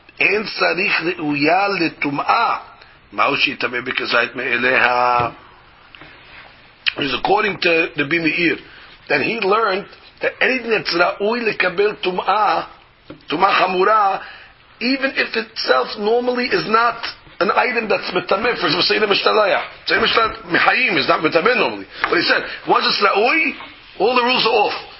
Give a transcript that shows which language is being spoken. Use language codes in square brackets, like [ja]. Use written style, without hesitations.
[he] אין צריך ראויה לטומאה. מהו שיתמא בכזית מאליה? [en] He's according to Rabbi Meir. Then he learned that anything that's ראוי לקבל טומאה, טומאה חמורה, even if itself normally is not an item that's מטמא, for example, סעיד המשתלח. סעיד המשתלח מחיים is not מטמא normally. But he said, once it's ראוי, all the rules are off.